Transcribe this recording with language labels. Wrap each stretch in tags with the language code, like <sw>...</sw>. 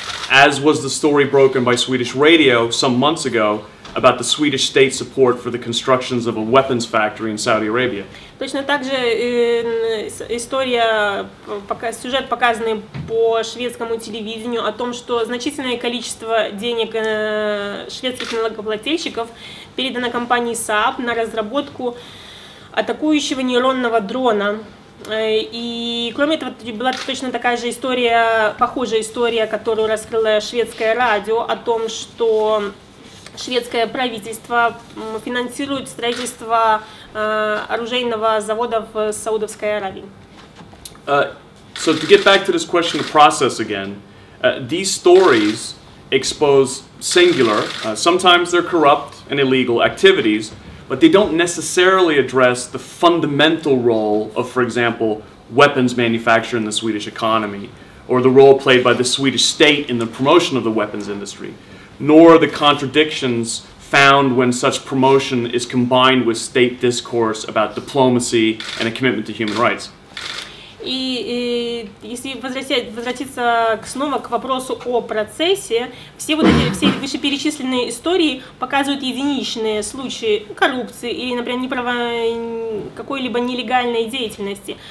<en>As was the story broken by Swedish radio some months ago about the Swedish state support for the constructions of a weapons factory in Saudi Arabia.</en> <ru>Точно так же история, сюжет, показанный по шведскому телевидению о том, что значительное количество денег шведских налогоплательщиков передано компании Saab на разработку атакующего нейронного дрона, И кроме этого, была точно такая же история, похожая история, которую раскрыло шведское радио о том, что шведское правительство финансирует строительство оружейного завода в Саудовской Аравии.</ru> <en>So to get back to this question of process again, these stories expose singular, sometimes they're corrupt and illegal activities, but they don't necessarily address the fundamental role of, for example, weapons manufacture in the Swedish economy, or the role played by the Swedish state in the promotion of the weapons industry, nor the contradictions found when such promotion is combined with state discourse about diplomacy and a commitment to human rights.</en> <ru>И если возвратиться снова к вопросу о процессе, все вот эти все вышеперечисленные истории показывают единичные случаи коррупции или, например, какой-либо нелегальной деятельности.</ru>